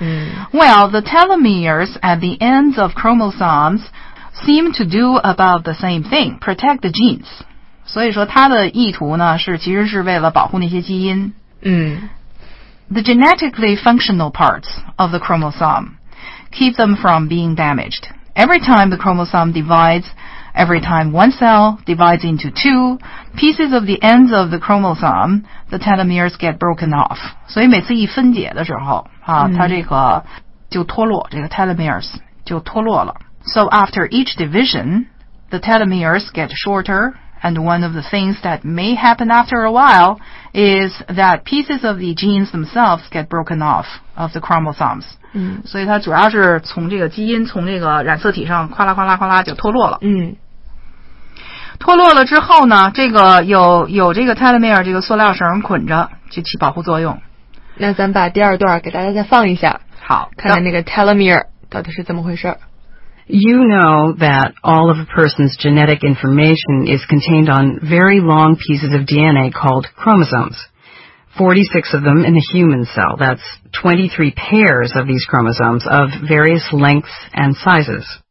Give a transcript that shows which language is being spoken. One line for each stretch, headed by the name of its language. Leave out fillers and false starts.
English: 嗯、 Well, the telomeres at the ends of chromosomes seem to do about the same thing, protect the genes.
Chinese: 所以说它的意图呢是其实是为了保护那些基因。嗯。
English: The genetically functional parts of the chromosome keep them from being damaged. Every time the chromosome divides,Every time one cell divides into two pieces of the ends of the chromosome, the telomeres get broken off.
Chinese: 所以每次一分解的时候、啊 mm. 它这个就脱落这个 telomeres 就脱落了。
English: So after each division, the telomeres get shorter, and one of the things that may happen after a while is that pieces of the genes themselves get broken off of the chromosomes. 嗯，
Chinese: 所以它主要是从这个基因从这个染色体上哗啦哗啦哗啦就脱落了。嗯，脱落了之后呢，这个有这个 telomere 这个塑料绳捆着，就起保护作用。那咱把第二段给大家再放一下，好，看看那个 telomere 到底是怎么回事。
English: You know that all of a person's genetic information is contained on very long pieces of DNA called chromosomes. 46 of them in a human cell. That's 23 pairs of these chromosomes of various lengths and sizes.